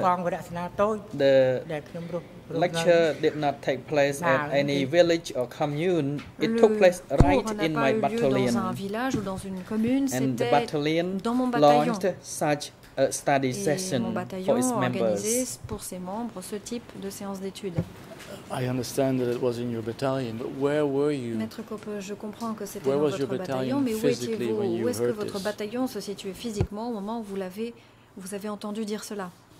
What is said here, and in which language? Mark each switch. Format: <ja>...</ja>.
<en>The lecture did not take place at any village or commune. It took place right in my battalion. And the battalion launched such a study session for its members.</en> <fr>Pour ses membres ce type de séance d'études.</fr> <en>I understand that it was in your battalion, but where were you?</en> <fr>Maître Coppe, je comprends que c'était dans votre bataillon, mais où étiez-vous? Où est-ce que votre bataillon se situait physiquement au moment où vous avez entendu dire cela?</fr>